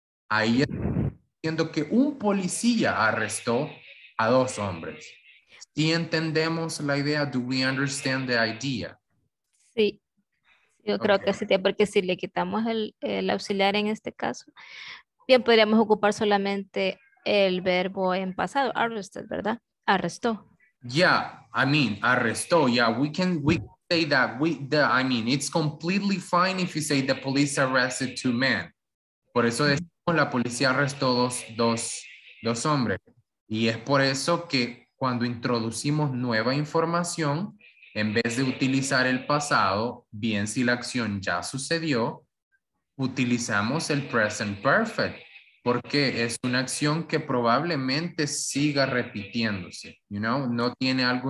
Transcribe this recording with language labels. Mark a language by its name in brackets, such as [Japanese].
[Spanish] Ahí está diciendo que un policía arrestó a dos hombres. ¿Sí entendemos la idea? [English] Do we understand the idea? [Spanish] Sí. Yo creo okay. que sí, porque si le quitamos el auxiliar en este caso, bien, podríamos ocupar solamente el verbo en pasado, arrested, ¿verdad? Arrestó. [English] Yeah, I mean, arrestó, yeah, we can say that, it's completely fine if you say the police arrested two men. [Spanish] Por eso decimos la policía arrestó dos hombres. Y es por eso que cuando introducimos nueva información, en vez de utilizar el pasado, bien si la acción ya sucedió, utilizamos el present perfect, porque es una acción que probablemente siga repitiéndose, you know, no tiene algo.